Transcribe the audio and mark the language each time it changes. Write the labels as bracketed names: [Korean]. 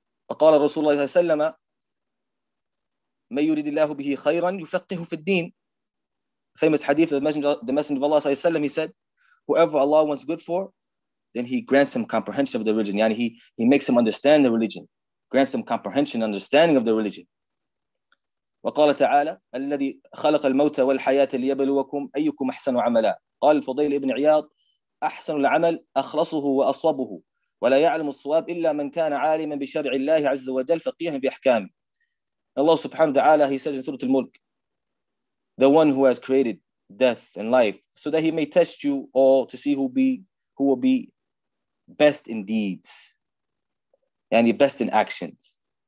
[Arabic] وقال رسول الله صلى الله عليه وسلم من يريد الله به خيرا يفقهه في الدين. [English] Famous hadith of the Messenger of Allah صلى الله عليه وسلم, he said, whoever Allah wants good for, then he grants him comprehension of the religion. Yani he makes him understand the religion, grants him comprehension, understanding of the religion. [Arabic] وقال تعالى الذي خلق الموت والحياة ليبلوكم أيكم أحسن عملا. قال الفضيل ابن عياض أحسن العمل أخلصه وأصوبه ولا يعلم الصواب إلا من كان عالما بشرع الله عز وجل فقيها بأحكام. [English] الله سبحانه وتعالى, he says in سورة الملك, the one who has created death and life so that he may test you all to see who will be best in deeds, يعني best in actions.